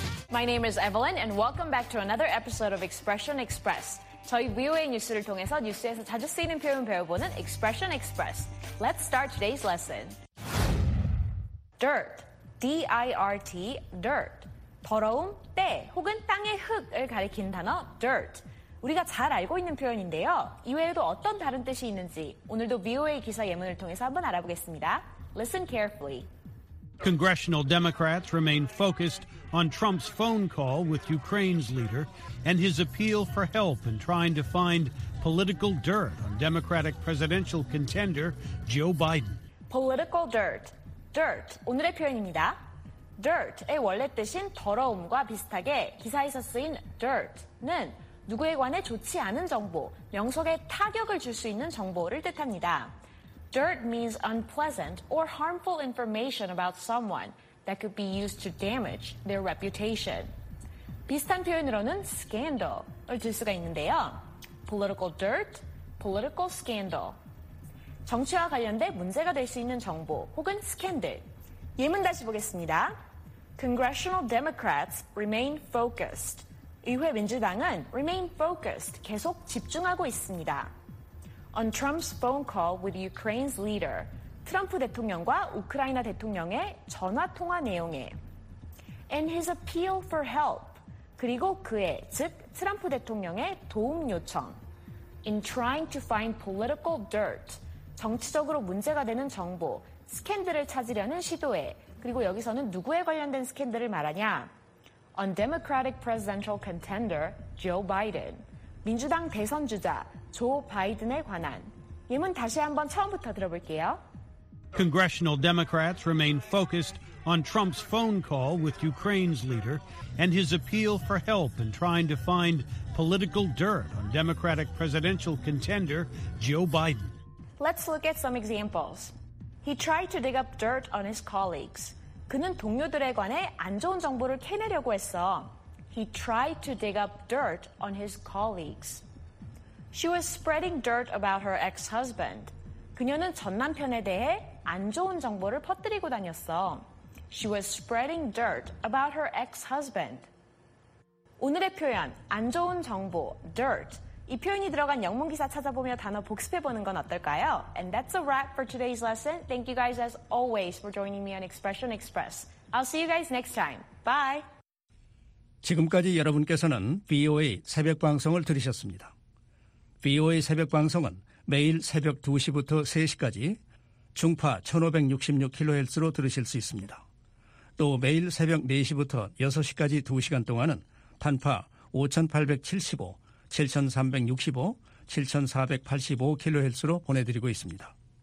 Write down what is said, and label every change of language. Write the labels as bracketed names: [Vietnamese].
[English] My name is Evelyn and welcome back to another episode of Expression Express. [Korean] 저희 VOA 뉴스를 통해서 뉴스에서 자주 쓰이는 표현 배워보는 Expression Express. [English] Let's start today's lesson. Dirt, D-I-R-T, dirt. [Korean] 더러움, 때 혹은 땅의 흙을 가리킨 단어 dirt. 우리가 잘 알고 있는 표현인데요. 이외에도 어떤 다른 뜻이 있는지 오늘도 VOA 기사 예문을 통해서 한번 알아보겠습니다. [English] Listen carefully. Congressional Democrats remain focused on Trump's phone call with Ukraine's leader and his appeal for help in trying to find political dirt on Democratic presidential contender Joe Biden. [Korean] Political dirt. Dirt. 오늘의 표현입니다. Dirt의 원래 뜻인 더러움과 비슷하게 기사에서 쓰인 dirt는 누구에 관해 좋지 않은 정보, 명석에 타격을 줄 수 있는 정보를 뜻합니다. [English] Dirt means unpleasant or harmful information about someone that could be used to damage their reputation. [Korean] 비슷한 표현으로는 scandal을 들 수가 있는데요. [English] Political dirt, political scandal. [Korean] 정치와 관련돼 문제가 될 수 있는 정보 혹은 scandal. 예문 다시 보겠습니다. [English] Congressional Democrats remain focused. [Korean] 의회 민주당은 remain focused, 계속 집중하고 있습니다. [English] On Trump's phone call with Ukraine's leader. [Korean] 트럼프 대통령과 우크라이나 대통령의 전화 통화 내용에. [English] And his appeal for help. [Korean] 그리고 그의, 즉 트럼프 대통령의 도움 요청. [English] In trying to find political dirt. [Korean] 정치적으로 문제가 되는 정보, 스캔들을 찾으려는 시도에. 그리고 여기서는 누구에 관련된 스캔들을 말하냐. [English] On Democratic presidential contender Joe Biden. [Korean] 민주당 대선 주자 조 바이든에 관한. 예문 다시 한번 처음부터 들어볼게요. [English] Congressional Democrats remain focused on Trump's phone call with Ukraine's leader and his appeal for help in trying to find political dirt on Democratic presidential contender Joe Biden. Let's look at some examples. He tried to dig up dirt on his colleagues. [Korean] 그는 동료들에 관해 안 좋은 정보를 캐내려고 했어. [English] He tried to dig up dirt on his colleagues. She was spreading dirt about her ex-husband. [Korean] 그녀는 전 남편에 대해 안 좋은 정보를 퍼뜨리고 다녔어. [English] She was spreading dirt about her ex-husband. [Korean] 오늘의 표현, 안 좋은 정보, dirt. 이 표현이 들어간 영문 기사 찾아보며 단어 복습해보는 건 어떨까요? [English] And that's a wrap for today's lesson. Thank you guys as always for joining me on Expression Express. I'll see you guys next time. Bye! [Korean] 지금까지 여러분께서는 VOA 새벽 방송을 들으셨습니다. VOA 새벽 방송은 매일 새벽 2시부터 3시까지 중파 1566kHz로 들으실 수 있습니다. 또 매일 새벽 4시부터 6시까지 2시간 동안은 단파 5875, 7365, 7485kHz로 보내드리고 있습니다.